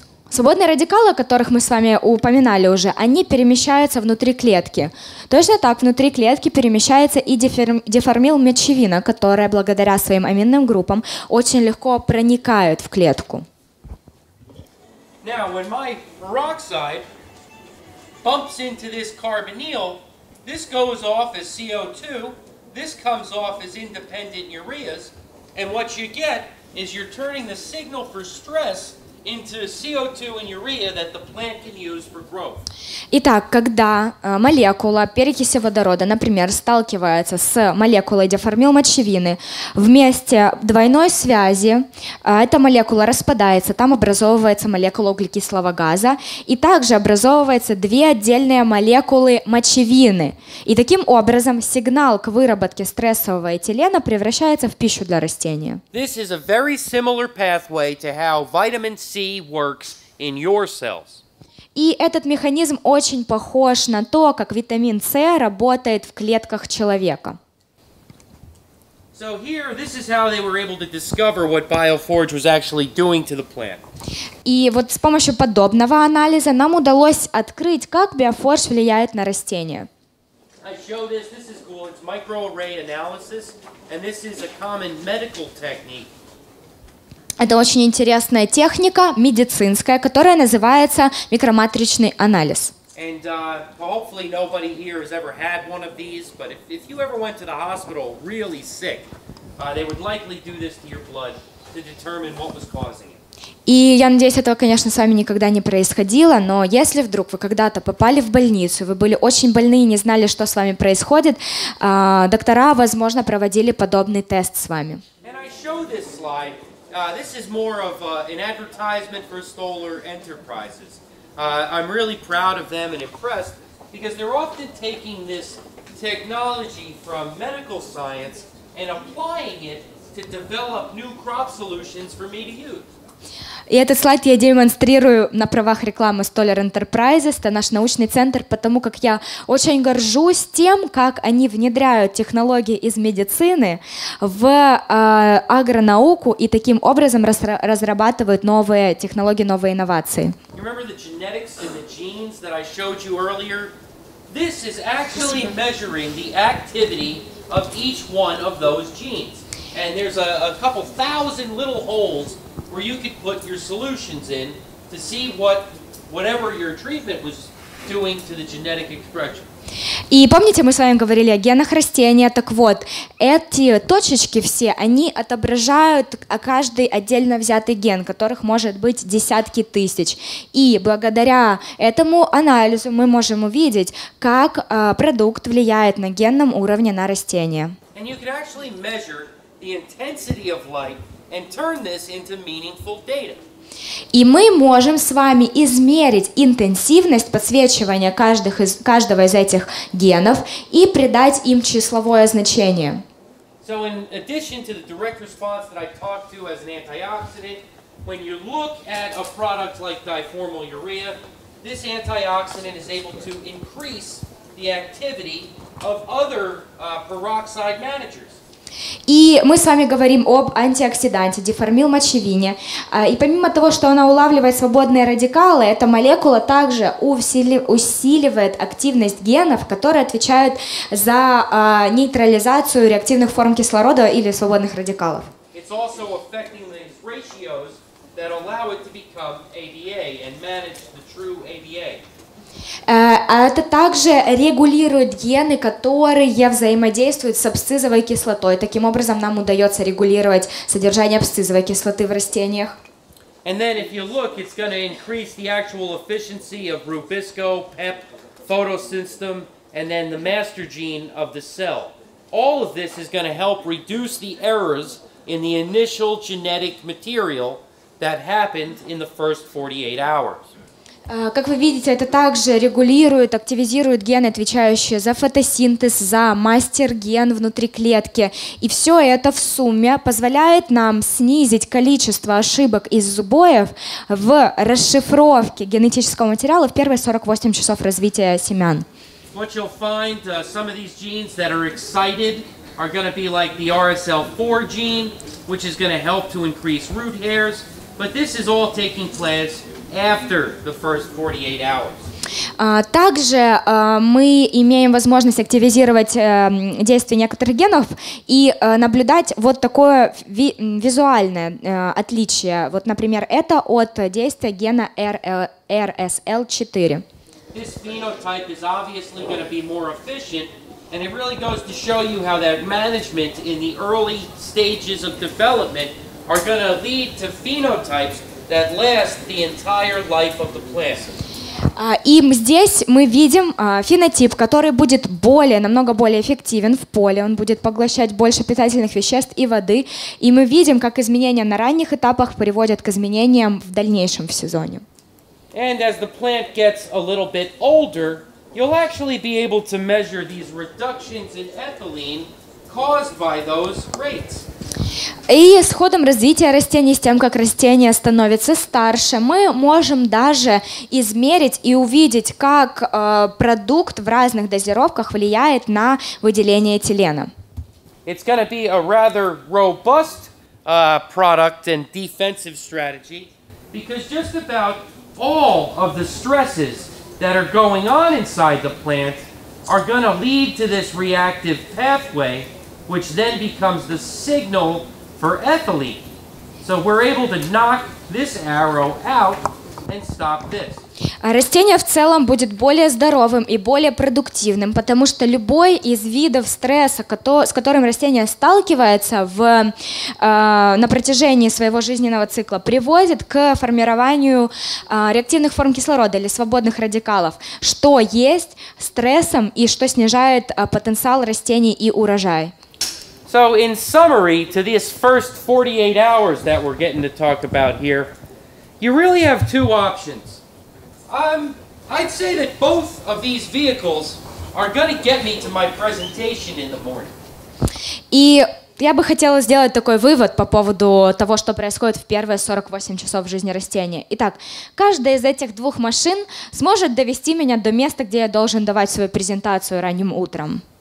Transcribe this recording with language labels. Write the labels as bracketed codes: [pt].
[ru] Свободные радикалы, о которых мы с вами упоминали уже, они перемещаются внутри клетки. Точно так внутри клетки перемещается и диформил мочевина, которая благодаря своим аминным группам очень легко проникает в клетку. [en] Now, when my peroxide bumps into this carbonyl, this goes off as CO2, this comes off as independent ureas, and what you get is you're turning the signal for stress into CO2 and urea that the plant can use for growth. [ru] Итак, когда молекула перекиси водорода, например, сталкивается с молекулой диформил мочевины, вместе двойной связи эта молекула распадается, там образовывается молекула углекислого газа, и также образовываются две отдельные молекулы мочевины. И таким образом сигнал к выработке стрессового этилена превращается в пищу для растения. [en] This is a very similar pathway to how vitamin C works in your cells. [ru] И этот механизм очень похож на то, как витамин С работает в клетках человека. [en] So here, this is how they were able to discover what BioForge was actually doing to the plant. [ru] И вот с помощью подобного анализа нам удалось открыть, как BioForge влияет на растения. [en] I show this. This is cool. It's microarray analysis, and this is a common medical technique. [ru] Это очень интересная техника, медицинская, которая называется микроматричный анализ. [en] And hopefully nobody here has ever had one of these, but if you ever went to the hospital really sick, they would likely do this to your blood to determine what was causing it. [ru] И я надеюсь, этого, конечно, с вами никогда не происходило, но если вдруг вы когда-то попали в больницу, вы были очень больны и не знали, что с вами происходит, доктора, возможно, проводили подобный тест с вами. [en] And I show this slide. This is more of an advertisement for Stoller Enterprises. I'm really proud of them and impressed because they're often taking this technology from medical science and applying it to develop new crop solutions for me to use. [ru] И этот слайд я демонстрирую на правах рекламы Stoller Enterprises, это наш научный центр, потому как я очень горжусь тем, как они внедряют технологии из медицины в агронауку и таким образом разрабатывают новые технологии, новые инновации. [en] Remember the genetics and the genes that I showed you earlier? This is actually measuring the activity of each one of those genes. And there's a couple thousand little holes where you could put your solutions in to see whatever your treatment was doing to the genetic expression. [ru] И помните, мы с вами говорили о генах растения. Так вот, эти точечки все, они отображают каждый отдельно взятый ген, которых может быть десятки тысяч. И благодаря этому анализу мы можем увидеть, как продукт влияет на генном уровне на растение. [en] And you can actually measure the intensity of light and turn this into meaningful data. [ru] И мы можем с вами измерить интенсивность подсвечивания каждого из этих генов и придать им числовое значение. [en] So in addition to the direct response that I talked to as an antioxidant, when you look at a product like diformyl urea, this antioxidant is able to increase the activity of other peroxide managers. [ru] И мы с вами говорим об антиоксиданте, диформил мочевине. И помимо того, что она улавливает свободные радикалы, эта молекула также усиливает активность генов, которые отвечают за нейтрализацию реактивных форм кислорода или свободных радикалов. [en] It's also affecting the ratios that allow it to become ABA and manage the true ABA. [ru] Это также регулирует гены, которые взаимодействуют с абсцизовой кислотой. Таким образом, нам удается регулировать содержание абсцизовой кислоты в растениях. [en] And then if you look, it's going to increase the actual efficiency of Rubisco, PEP, photosystem, and then the master gene of the cell. All of this is going to help reduce the errors in the initial genetic material that happened in the first 48 hours. [ru] Как вы видите, это также регулирует, активизирует гены, отвечающие за фотосинтез, за мастер-ген внутри клетки. И все это в сумме позволяет нам снизить количество ошибок и сбоев в расшифровке генетического материала в первые 48 часов развития семян. [en] What you'll find, some of these genes that are excited are going to be like the RSL4 gene, which is going to help to increase root hairs. But this is all taking place after the first 48 hours. [ru] Также мы имеем возможность активизировать действие некоторых генов и наблюдать вот такое визуальное отличие. Вот, например, это от действия гена RSL4. [en] This phenotype is obviously going to be more efficient, and it really goes to show you how that management in the early stages of development are going to lead to phenotypes that last the entire life of the plant. [ru] И здесь мы видим фенотип, который будет намного более эффективен в поле. Он будет поглощать больше питательных веществ и воды. И мы видим, как изменения на ранних этапах приводят к изменениям в дальнейшем в сезоне. [en] And as the plant gets a little bit older, you'll actually be able to measure these reductions in ethylene caused by those rates. [ru] И с ходом развития растений, с тем, как растение становится старше, мы можем даже измерить и увидеть, как продукт в разных дозировках влияет на выделение этилена. [en] It's going to be a rather robust product and defensive strategy. Because just about all of the stresses that are going on inside the plant are going to lead to this reactive pathway, which then becomes the signal for ethylene. So we're able to knock this arrow out and stop this. [ru] А растение в целом будет более здоровым и более продуктивным, потому что любой из видов стресса, с которым растение сталкивается на протяжении своего жизненного цикла, приводит к формированию реактивных форм кислорода или свободных радикалов, что есть стрессом и что снижает потенциал растений и урожай. [en] So in summary to this first 48 hours that we're getting to talk about here, you really have two options. I'd say that both of these vehicles are going to get me to my presentation in the morning. [ru] И я бы хотела сделать такой вывод по поводу того, что происходит в первые 48 часов жизни растения. Итак, каждая из этих двух машин сможет довести меня до места, где я должен давать свою презентацию ранним утром.